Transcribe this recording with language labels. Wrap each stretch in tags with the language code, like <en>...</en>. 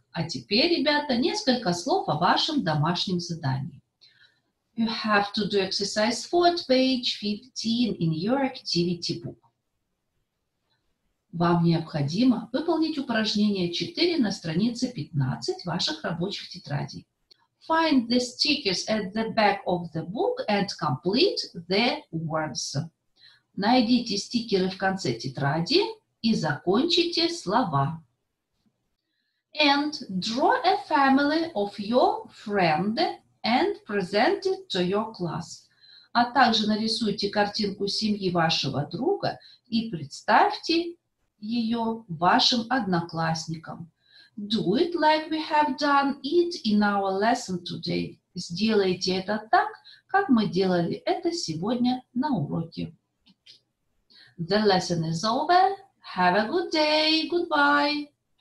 <ru>А теперь, ребята, несколько слов о вашем домашнем задании.</ru> <en>You have to do exercise 4 at page 15 in your activity book.</en> <ru>Вам необходимо выполнить упражнение 4 на странице 15 ваших рабочих тетрадей.</ru> <en>Find the stickers at the back of the book and complete the words.</en> <ru>Найдите стикеры в конце тетради и закончите слова.</ru> <en>And draw a family of your friend and present it to your class.</en> <ru>А также нарисуйте картинку семьи вашего друга и представьте ее вашим одноклассникам.</ru> <en>Do it like we have done it in our lesson today.</en> <ru>Сделайте это так, как мы делали это сегодня на уроке.</ru> <en>The lesson is over. Have a good day. Goodbye.</en>